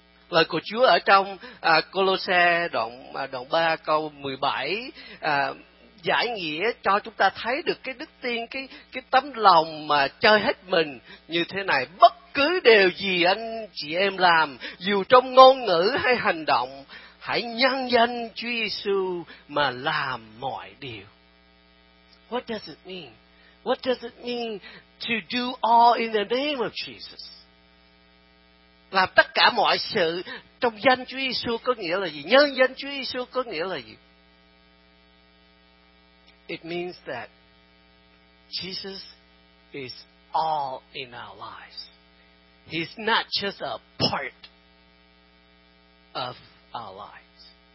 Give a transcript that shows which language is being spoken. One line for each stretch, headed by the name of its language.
Vietnamese: Lời của Chúa ở trong Colossae đoạn 3 câu 17 giải nghĩa cho chúng ta thấy được cái đức tin, cái tấm lòng mà chơi hết mình như thế này. Bất cứ điều gì anh chị em làm, dù trong ngôn ngữ hay hành động, hãy nhân danh Chúa Giêsu mà làm mọi điều.
English: What does it mean? What does it mean to do all in the name of Jesus?
Vietnamese: Làm tất cả mọi sự trong danh Chúa Giêsu có nghĩa là gì? Nhân danh Chúa Giêsu có nghĩa là gì?
English: It means that Jesus is all in our lives. He's not just a part of our lives.